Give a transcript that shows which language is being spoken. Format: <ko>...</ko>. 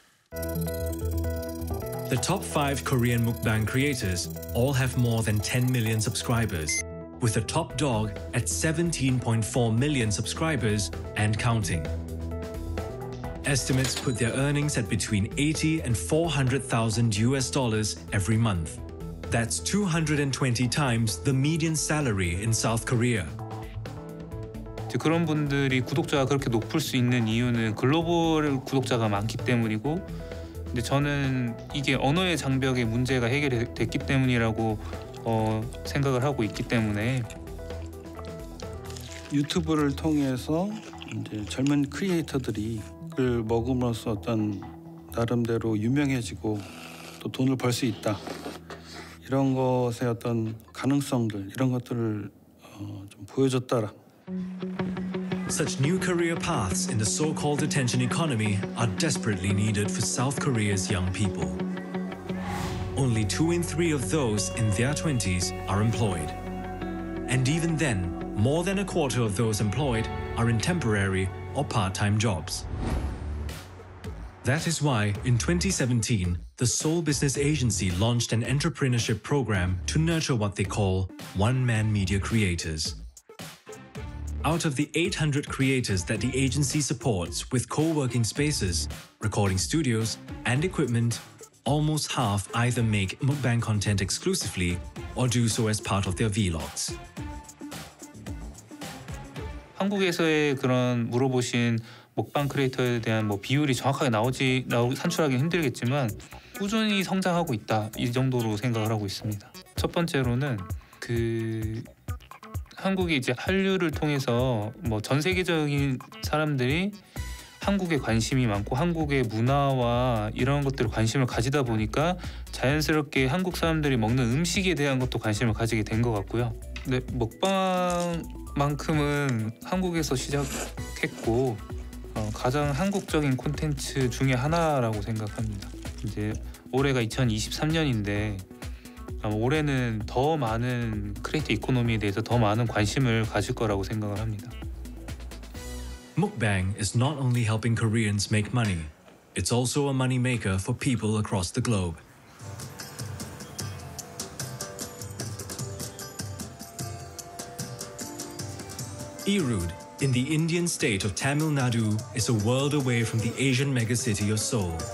<en>The top five Korean mukbang creators all have more than 10 million subscribers, with the top dog at 17.4 million subscribers and counting. Estimates put their earnings at between 80 and 400,000 US dollars every month. That's 220 times the median salary in South Korea.</en> <ko>그런 분들이 구독자가 그렇게 높을 수 있는 이유는 글로벌 구독자가 많기 때문이고 근데 저는 이게 언어의 장벽의 문제가 해결됐기 때문이라고 생각을 하고 있기 때문에 유튜브를 통해서 이제 젊은 크리에이터들이 그걸 먹음으로써 어떤 나름대로 유명해지고 또 돈을 벌 수 있다 이런 것의 어떤 가능성들 이런 것들을 좀 보여줬더라.</ko> <en>Such new career paths in the so-called attention economy are desperately needed for South Korea's young people. Only 2 in 3 of those in their 20s are employed. And even then, more than a quarter of those employed are in temporary or part-time jobs. That is why, in 2017, the Seoul Business Agency launched an entrepreneurship program to nurture what they call one-man media creators. Out of the 800 creators that the agency supports with co-working spaces, recording studios, and equipment, almost half either make mukbang content exclusively or do so as part of their vlogs.</en> <ko>한국에서의 그런 물어보신 먹방 크리에이터에 대한 뭐 비율이 정확하게 산출하기 힘들겠지만 꾸준히 성장하고 있다 이 정도로 생각을 하고 있습니다. 첫 번째로는 그 한국이 이제 한류를 통해서 뭐 전 세계적인 사람들이 한국에 관심이 많고 한국의 문화와 이런 것들을 관심을 가지다 보니까 자연스럽게 한국 사람들이 먹는 음식에 대한 것도 관심을 가지게 된 것 같고요. 네, 먹방만큼은 한국에서 시작했고 가장 한국적인 콘텐츠 중에 하나라고 생각합니다. 이제 올해가 2023년인데 올해는 더 많은 크리에이터 이코노미에 대해서 더 많은 관심을 가질 거라고 생각을 합니다.</ko> <en>Mukbang is not only helping Koreans make money, it's also a money maker for people across the globe. Erode, in the Indian state of Tamil Nadu, is a world away from the Asian megacity of Seoul.</en>